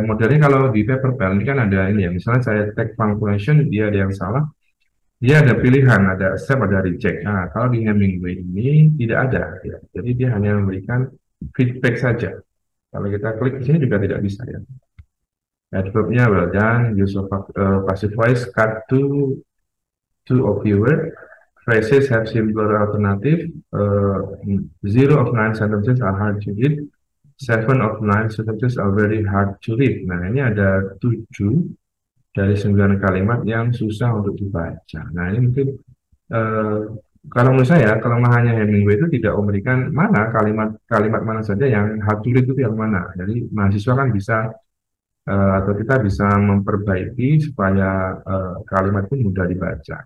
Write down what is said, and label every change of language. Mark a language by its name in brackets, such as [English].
[Indonesian] Modelnya kalau di PaperPal ini kan ada ini ya, misalnya saya tag punctuation, dia ada yang salah, dia ada pilihan, ada accept, ada reject. Nah, kalau di Hemingway ini tidak ada ya. Jadi dia hanya memberikan feedback saja. Kalau kita klik di sini juga tidak bisa ya. [English] Adverbnya well done, use of passive voice, cut to of your Phrases have simpler alternative. Zero of nine sentences are hard to read. Seven of nine sentences are very hard to read. [Indonesian] Nah, ini ada tujuh dari sembilan kalimat yang susah untuk dibaca. Nah, ini mungkin kalau menurut saya, kelemahannya Hemingway itu tidak memberikan mana kalimat-kalimat mana saja yang [English] hard to read [Indonesian] itu yang mana. Jadi mahasiswa kan bisa atau kita bisa memperbaiki supaya kalimat pun mudah dibaca.